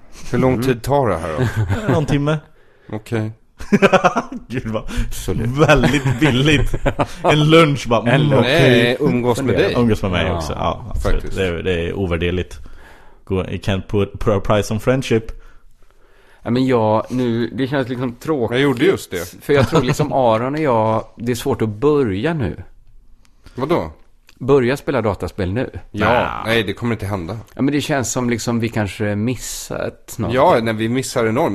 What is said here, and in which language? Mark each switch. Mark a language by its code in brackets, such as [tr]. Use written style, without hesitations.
[sv] Hur lång tid tar det här då? Någon timme. Okej. Gud, vad absolut. Väldigt billigt. En lunch bara, umgås med dig. Umgås med mig, ja, också, ja, faktiskt. Det är ovärderligt. [en] You can't put a price on friendship. [sv] Men jag, nu, det känns liksom tråkigt. Jag gjorde just det. För jag tror liksom Aron och jag, det är svårt att börja nu. Vadå? Börja spela dataspel nu. Ja, nej, det kommer inte hända. Ja, men det känns som liksom vi kanske missat något. Ja, när vi missar enormt.